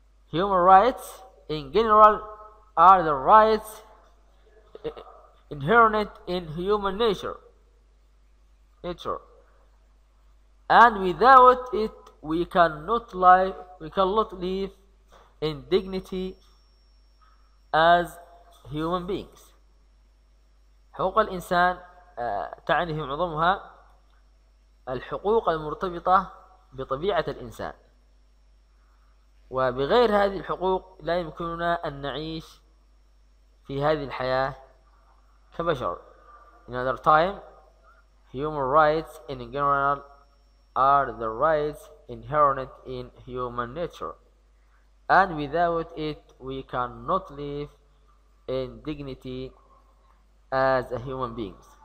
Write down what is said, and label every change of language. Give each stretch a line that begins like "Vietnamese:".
English: Human rights in general are the rights inherent in human nature, and without it, we cannot live in dignity as human beings.
Arabic: حقوق الإنسان تعني في معظمها الحقوق المرتبطة بطبيعة الإنسان, وبغير هذه الحقوق لا يمكننا أن نعيش في هذه الحياة كبشر.
English: In other time, human rights in general are the rights inherent in human nature, and without it we cannot live in dignity as a human beings.